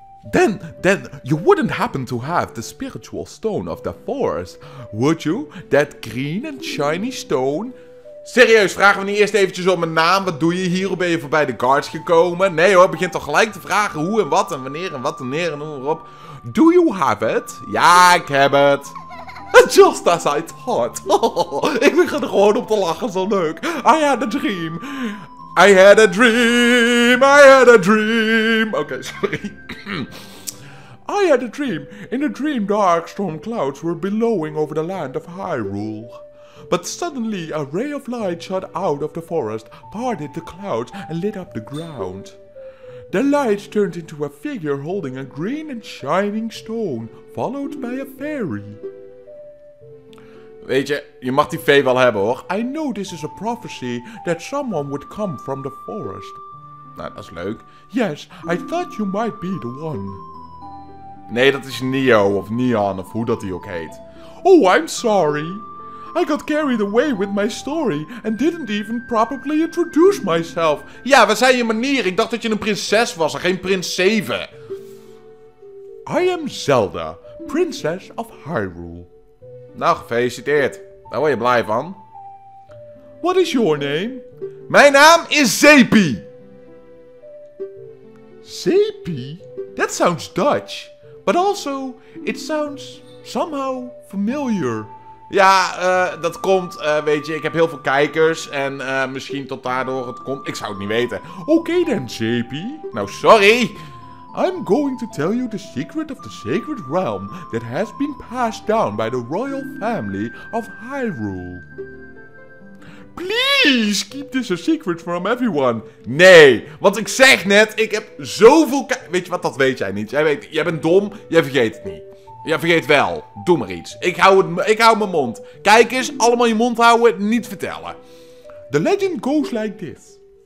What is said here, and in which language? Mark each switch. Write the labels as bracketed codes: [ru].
[en] Then you wouldn't happen to have the spiritual stone of the forest, would you? That green and shiny stone? [nl] Serieus, vragen we niet eerst eventjes om een naam? Wat doe je hier? Hoe ben je voorbij de guards gekomen? Nee hoor, begint toch gelijk te vragen hoe en wat en wanneer en wat en neer en noem erop. [en] Do you have it? [nl] Ja, ik heb het. [en] Just as I thought. [nl] Ik begin er gewoon op te lachen, zo leuk. [en] I had a dream. I had a dream. I had a dream. [nl] Oké, sorry. [en] I had a dream. In a dream, dark storm clouds were billowing over the land of Hyrule. But suddenly, a ray of light shot out of the forest, parted the clouds, and lit up the ground. The light turned into a figure holding a green and shining stone, followed by a fairy. [nl] Weet je, je mag die fee wel hebben hoor. [en] I know this is a prophecy that someone would come from the forest. [nl] Nou, dat is leuk. [en] Yes, I thought you might be the one. [nl] Nee, dat is Neo of Neon of hoe dat hij ook heet. [en] Oh, I'm sorry. I got carried away with my story and didn't even properly introduce myself. [nl] Ja, wat zei je manier? Ik dacht dat je een prinses was en geen prins 7. [en] I am Zelda, princess of Hyrule. [nl] Nou, gefeliciteerd. Daar word je blij van. [en] What is your name? [nl] Mijn naam is Zepi. [en] Zepi? That sounds Dutch. But also, it sounds somehow familiar. [nl] Ja, dat komt, weet je, ik heb heel veel kijkers en misschien tot daardoor het komt. Ik zou het niet weten. [en] Okay then, [nl] Zepi. Nou, sorry. [en] I'm going to tell you the secret of the sacred realm that has been passed down by the royal family of Hyrule. Please keep this a secret from everyone. [nl] Nee, want ik zeg net, ik heb zoveel Weet je wat, dat weet jij niet. Jij bent dom, jij vergeet het niet. Jij vergeet wel, doe maar iets. Ik hou mijn mond. Kijk eens, allemaal je mond houden, niet vertellen. [en] The legend goes like this.